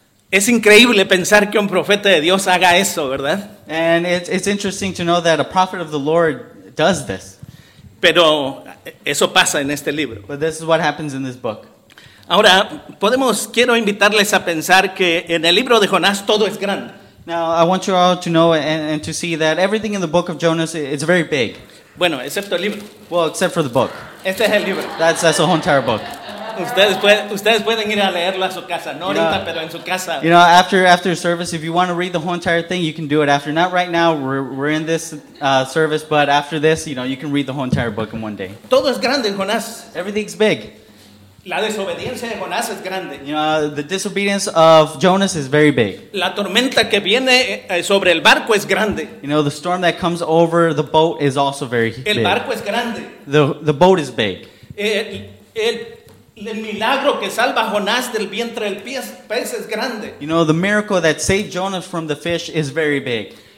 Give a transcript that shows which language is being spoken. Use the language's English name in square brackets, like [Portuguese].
[Spanish] Es increíble pensar que un profeta de Dios haga eso, ¿verdad? [English] And it's interesting to know that a prophet of the Lord does this. [Spanish] Pero eso pasa en este libro. [English] But this is what happens in this book. [Spanish] Ahora, quiero invitarles a pensar que en el libro de Jonás todo es grande. [English] Now, I want you all to know and to see that everything in the book of Jonah is very big. [Spanish] Bueno, excepto el libro. [English] Well, except for the book. [Spanish] Este es el libro. [English] That's a whole entire book. [Spanish] Ustedes pueden ir a leerlo a su casa. No ahorita, pero en su casa. [English] You know, after service, if you want to read the whole entire thing, you can do it after. Not right now, we're in this service, but after this, you know, you can read the whole entire book in one day. [Spanish] Todo es grande, Jonás. [English] Everything's big. [Spanish] La desobediencia de Jonás es grande. [English] You know, the disobedience of Jonas is very big. [Spanish] La tormenta que viene sobre el barco es grande. [English] You know, the storm that comes over the boat is also very big. [Spanish] El barco es grande. [English] The boat is big. [Spanish] El milagro que salva a Jonás del vientre del pez es grande. [English] You know, the miracle that saved Jonas from the fish is very big.